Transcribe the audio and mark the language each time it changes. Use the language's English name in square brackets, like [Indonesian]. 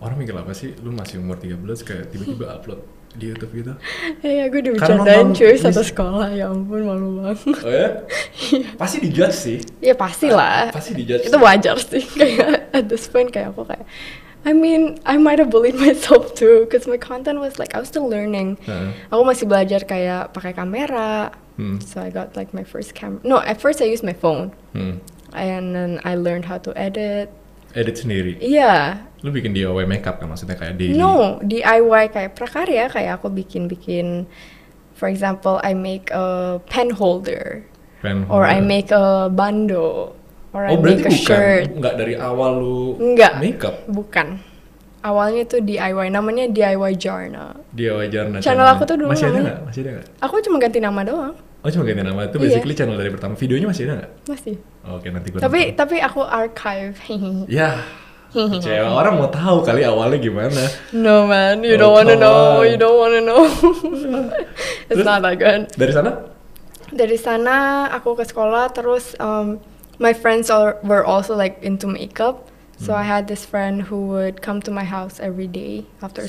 [Indonesian] Orang mikir apa sih lu masih umur 13 kayak tiba-tiba upload di YouTube gitu? Iya, yeah, gue dibicarain cuy satu sekolah. Ya ampun, malu banget. Oh ya? Yeah? Pasti di-judge sih. Iya, yeah, pastilah. Pasti di-judge. Itu wajar sih kayak [English] at this point [Indonesian] kayak aku kayak [English] I mean, I might have bullied myself too, because my content was like, I was still learning. [Indonesian] Aku masih belajar kayak pakai kamera. [English] So I got like my first camera. No, at first I used my phone. And then I learned how to edit. [Indonesian] Edit sendiri? Iya. Lu bikin DIY makeup kan maksudnya kayak daily? No, DIY kayak prakarya, kayak aku bikin-bikin. [English] For example, I make a pen holder. Pen holder. Or I make a bando. [Indonesian] Oh, berarti bukan, gak dari awal lu enggak, makeup? Bukan. Awalnya tuh DIY, namanya DIY Jarna. DIY Jarna. Channel aku tuh dulu masih ada gak? Masih ada gak? Aku cuma ganti nama doang. Oh, cuma ganti nama. Itu basically yeah, channel dari pertama. Videonya masih ada gak? Masih. Oke, nanti gue tapi nonton. Tapi aku archive. Ya, cewek orang mau tahu kali awalnya gimana. [English] No man, you don't wanna know. You don't wanna know. It's [Indonesian] terus, [English] not that good. [Indonesian] Dari sana? Dari sana aku ke sekolah terus [English] my friends were also like into makeup, so I had this friend who would come to my house every day after